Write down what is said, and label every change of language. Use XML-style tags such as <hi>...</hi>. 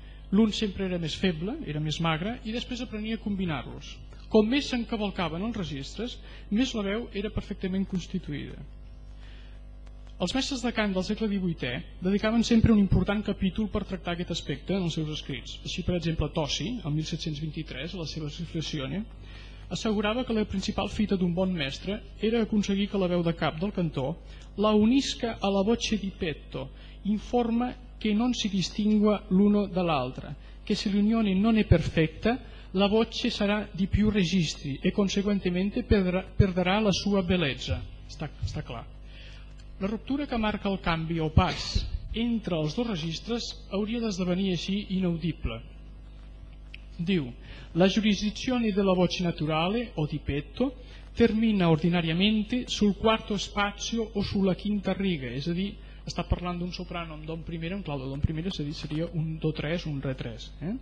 <ca>L'un sempre era més feble, era més magre, i després aprenia a combinar-los. Com més s'encavalcaven els registres, més la veu era perfectament constituïda. Els mestres de cant del segle XVIII dedicaven sempre un important capítol per tractar aquest aspecte en els seus escrits. Així, per exemple, Tosi, el 1723, a la seva Reflexione, assegurava que la principal fita d'un bon mestre era aconseguir que la veu de cap del cantor</ca> <it>la unisca a la voce di petto, in forma que non si distingua l'uno de l'altra, que se l'unione non è perfetta, la voce sarà di più registri e conseguentemente perderà la sua bellezza.</it> <ca>Està clar. La ruptura que marca el canvi o pas entre els dos registres hauria d'esdevenir així inaudible. Diu,</ca> <it>la jurisdizione della voce naturale o di petto termina ordinariamente sul quarto spazio o sulla quinta riga,</it> <ca>és a dir, està parlant d'un soprano amb don primera, un clau de don primera, és a dir, seria un do tres, un re tres.</ca>